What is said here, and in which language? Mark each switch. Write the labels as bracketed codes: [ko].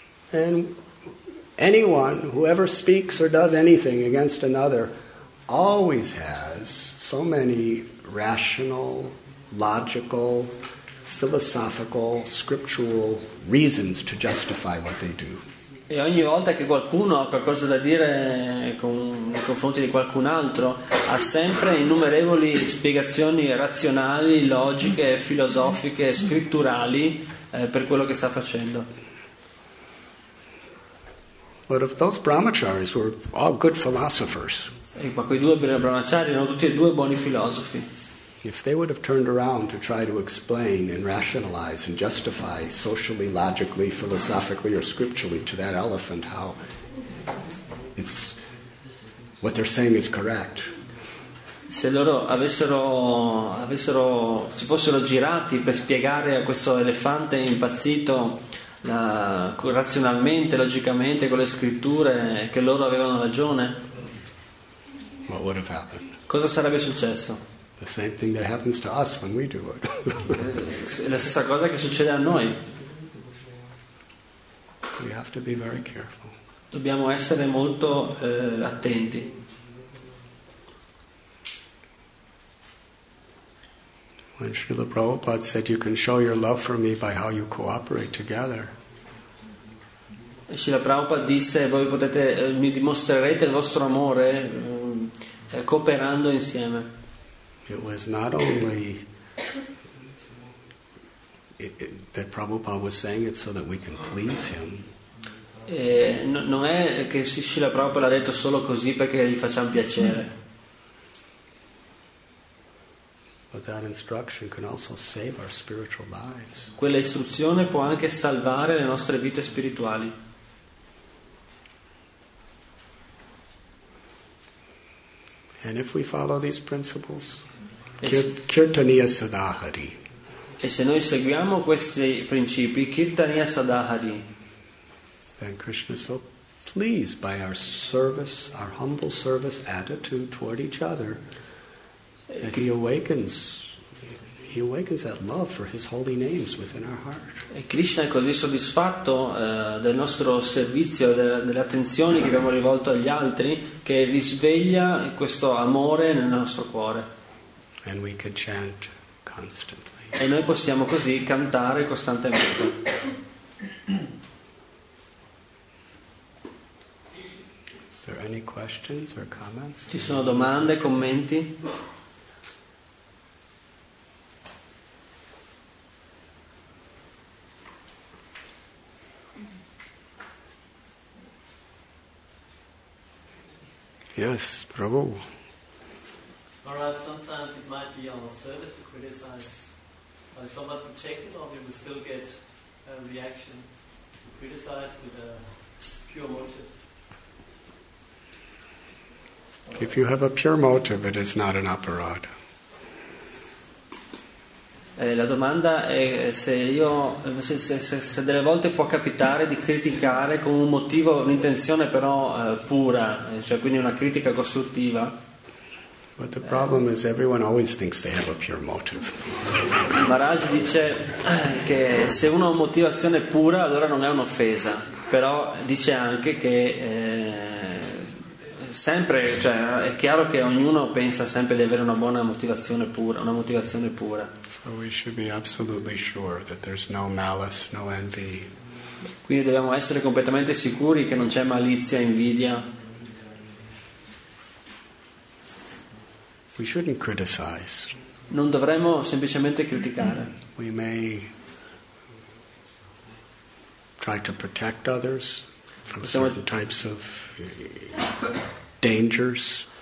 [en] And anyone who ever speaks or does anything against another always has so many rational, logical, philosophical, scriptural reasons to justify what they do. [it] E ogni volta che qualcuno ha qualcosa da dire nei confronti di qualcun altro, ha sempre innumerevoli spiegazioni razionali, logiche, filosofiche, scritturali per quello che sta facendo. [en] But if those brahmacharis were all good philosophers, [it] ma quei due brahmacari erano tutti e due buoni filosofi. [en] If they would have turned around to try to explain and rationalize and justify socially, logically, philosophically, or scripturally to that elephant how it's what they're saying is correct. [it] Se loro avessero si fossero girati per spiegare a questo elefante impazzito razionalmente, logicamente, con le scritture che loro avevano ragione, [en] what would have happened? [it] Cosa sarebbe successo? [en] The same thing that happens to us when we do it. [it] La stessa cosa che succede a noi. [en] We have to be very careful. [it] Dobbiamo essere molto attenti. [en] When Srila Prabhupada said, "You can show your love for me by how you cooperate together." [it] E Srila Prabhupada disse, "Voi potete mi dimostrerete il vostro amore cooperando insieme." [en] It was not only that Prabhupada was saying it so that we can please him. [it] Non è che Srila Prabhupada l'ha detto solo così perché gli facciamo piacere. [en] But that instruction can also save our spiritual lives. [it] Quella istruzione può anche salvare le nostre vite spirituali. [en] And if we follow these principles. Kirtaniya Sadahari. [it] E se noi seguiamo questi principi, Kirtaniya Sadahari. [en] Then Krishna is so pleased by our service, our humble service attitude toward each other, that he awakens that love for his holy names within our heart. [it] E Krishna è così soddisfatto del nostro servizio, delle attenzioni che abbiamo rivolto agli altri, che risveglia questo amore nel nostro cuore. [en] And we can chant constantly. [it] E noi possiamo così cantare costantemente. [en] Is there any questions or comments? [it] Ci sono domande, commenti? [en] Yes, bravo. Sometimes it might be on a service to criticize somewhat protected, or we will still get a reaction to criticize with a pure motive. If you have a pure motive, it is not an aparad. [it] La domanda è se io, se delle volte può capitare di criticare con un motivo, un'intenzione però pura, cioè quindi una critica costruttiva. [en] But the problem is everyone always thinks they have a pure motive. [it] Maharaj dice che se uno ha motivazione pura allora non è un'offesa, però dice anche che sempre, cioè è chiaro che ognuno pensa sempre di avere una buona motivazione pura, una motivazione pura. [en] So we should be absolutely sure that there's no malice, no envy. [it] Quindi dobbiamo essere completamente sicuri che non c'è malizia, invidia. [en] We shouldn't criticize. [it] Non dovremmo semplicemente criticare. [en] We may try to protect others from certain types of dangers.